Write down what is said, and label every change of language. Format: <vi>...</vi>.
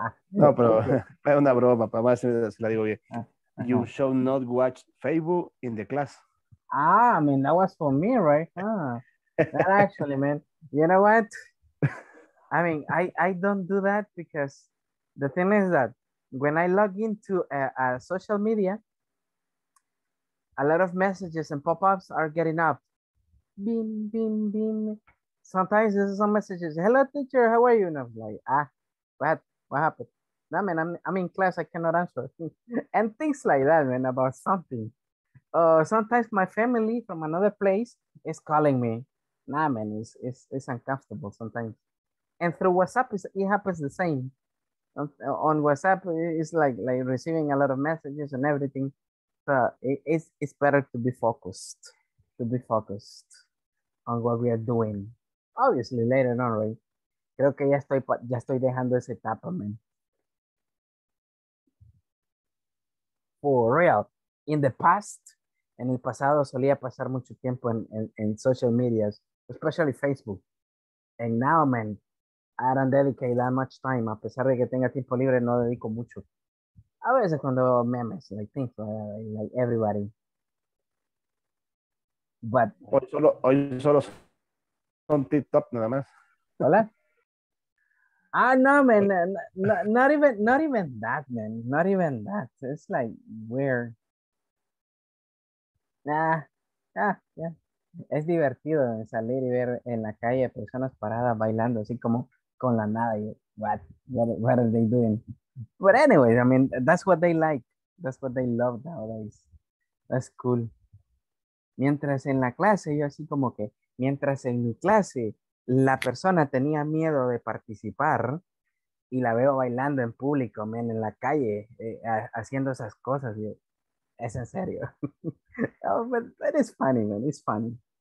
<es>No, pero es una broma, para más se la digo bien.</es> <en>You should not watch Facebook in the class. Ah, I mean, that was for me, right? Ah, that actually, man. You know what? I mean, I don't do that because the thing is that when I log into a social media, a lot of messages and pop-ups are getting up. Bim, bim, bim. Sometimes there's some messages. Hello, teacher. How are you? And I'm like, ah. What happened? No, man, I'm in class. I cannot answer. And things like that, man, about something. Sometimes my family from another place is calling me. Nah, man, it's uncomfortable sometimes. And through WhatsApp, it happens the same. On WhatsApp, it's like receiving a lot of messages and everything. So it's better to be focused. To be focused on what we are doing. Obviously, later on, right?</en> <es>Creo que ya estoy dejando esa etapa, man.</es> <en>For real. In the past,</en> <es>en el pasado solía pasar mucho tiempo en</es> <en>social medias, especially Facebook. And now, man, I don't dedicate that much time.</en> <es>A pesar de que tenga tiempo libre, no dedico mucho. A veces cuando veo memes,</es> <en>like things, like everybody. But</en> <es>hoy solo son TikTok nada más. Hola.</es> <en>Ah, no, man, not even that, man, not even that. It's like weird. Yeah.</en> <es>Es divertido salir y ver en la calle personas paradas bailando así como con la nada.</es> <en>What are they doing? But anyways, I mean, that's what they like. That's what they love nowadays. That's cool.</en> <es>Mientras en la clase, yo así como que, mientras en mi clase, la persona tenía miedo de participar y la veo bailando en público, man, en la calle, haciendo esas cosas. Y, es en serio.</es> <en>Oh, but it's funny, man. It's funny.</en>